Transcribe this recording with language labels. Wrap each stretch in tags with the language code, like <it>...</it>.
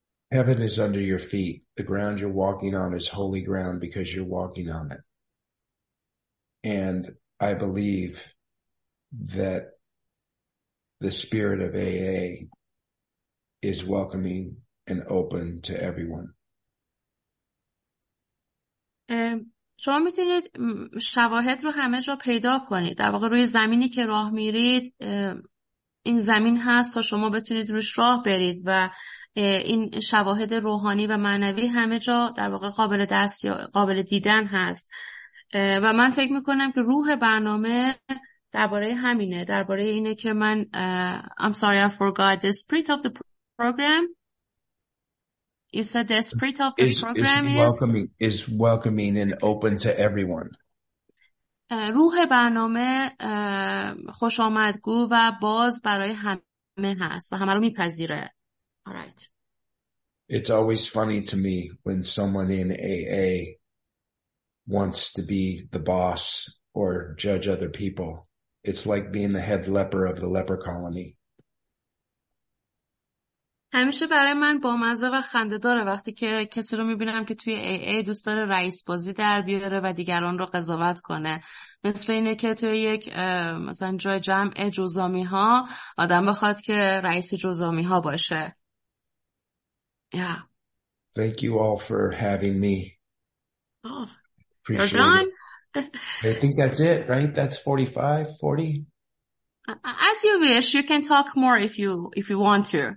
<en>Heaven is under your feet. The ground you're walking on is holy ground because you're walking on it. And I believe that the spirit of AA is welcoming and open to everyone.</en> <fa>شما میتونید شواهد رو همه جا پیدا کنید. در واقع روی زمینی که راه میرید، این زمین هست تا شما بتونید روش راه برید و این شواهد روحانی و معنوی همه جا در واقع قابل دست یا قابل دیدن هست. و من فکر میکنم که روح برنامه درباره همینه، درباره اینه که من</fa> <en>I'm sorry I forgot the spirit of the program. You said the spirit of the program is welcoming and open to everyone.</en> <fa>روح برنامه خوش آمدگو و باز برای همه هست و همه رو میپذیره.</fa> <en>All right. It's always funny to me when someone in AA wants to be the boss or judge other people. It's like being the head leper of the leper colony.</en> <fa>همیشه برای من بامزه و خنده داره وقتی که کسی رو میبینم که توی AA دوست داره رئیس بازی در بیاره و دیگران رو قضاوت کنه. مثل اینه که توی یک مثلا جای جمع جزامی ها آدم بخواد که رئیس جزامی ها باشه.</fa> <en>Yeah. Thank you all for having me. Appreciate you're done. It. I think that's it, right? That's 45, 40? As you wish, you can talk more if you want to.</en>